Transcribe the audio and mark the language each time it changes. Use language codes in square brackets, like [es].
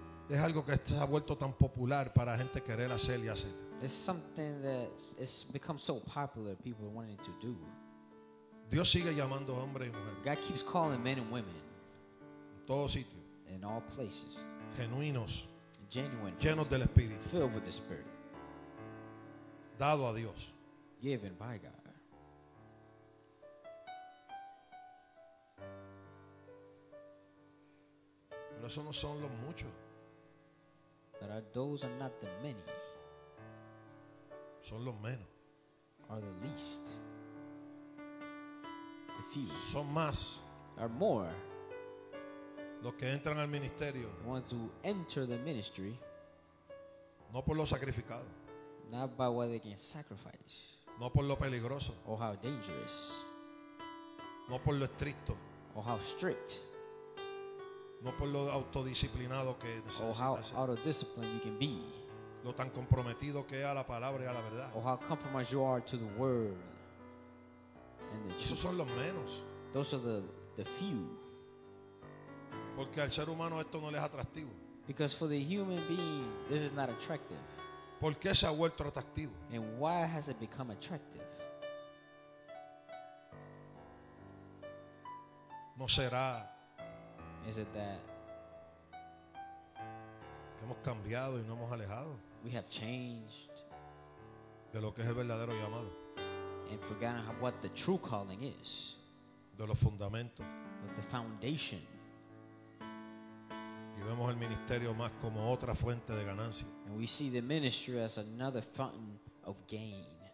[es] Es algo que se ha vuelto tan popular para gente querer hacer y hacer. [en] It's something that it's become so popular people wanting to do. [es] Dios sigue llamando hombres y mujeres. [en] God keeps calling men and women. [es] En todo sitio. [en] In all places. [es] Genuinos. [en] Genuine. [es] Llenos del Espíritu. [en] Filled with the Spirit. [es] Dado a Dios. [en] Given by God. [es] Pero esos no son los muchos. [en] But those are not the many. [es] Son los menos. [en] Are the least. The few. [es] Son más. [en] Are more. [es] Los que entran al ministerio. [en] The ones who enter the ministry. [es] No por lo sacrificado. [en] Not by what they can sacrifice. [es] No por lo peligroso. [en] Or how dangerous. [es] No por lo estricto. [en] Or how strict. [es] No por lo autodisciplinado que necesitas. [en] Or how out of discipline you can be. [es] Lo tan comprometido que es a la palabra y a la verdad. [en] Or how compromised you are to the word. And the [es] esos son los menos. [en] Those are the few. [es] Porque al ser humano esto no les es atractivo. [en] Because for the human being this is not attractive. [es] ¿Por qué se ha vuelto atractivo? [en] And why has it become attractive? [es] ¿No será? [en] Is it that [es] que hemos cambiado y no hemos alejado? [en] We have changed. [es] De lo que es el verdadero llamado. [en] And forgotten what the true calling is. [es] De los fundamentos. [en] Of the foundation. [es] Y vemos el ministerio más como otra fuente de ganancia. [en] And we see the ministry as another fountain of gain.